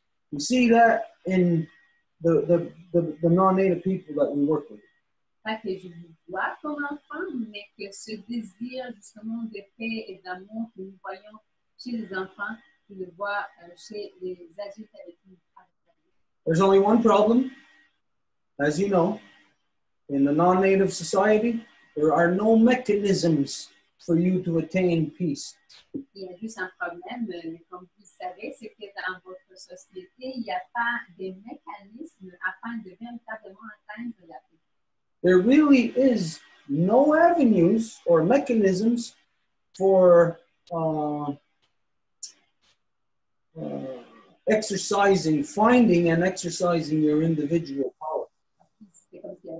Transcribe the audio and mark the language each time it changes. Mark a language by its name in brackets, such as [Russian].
[English] You see that in the non-native people that we work with. [French] Pas que je vous vois comme enfant, mais que ce désir justement de paix et d'amour que nous voyons chez les enfants, je le vois chez les adultes avec qui nous travaillons. [English] There's only one problem, as you know, in the non-native society, there are no mechanisms for you to attain peace. [French] Il y a juste un problème, mais comme vous savez, c'est que dans votre société, il n'y a pas de mécanisme afin de véritablement atteindre la paix. [English] There really is no avenues or mechanisms for finding and exercising your individual power.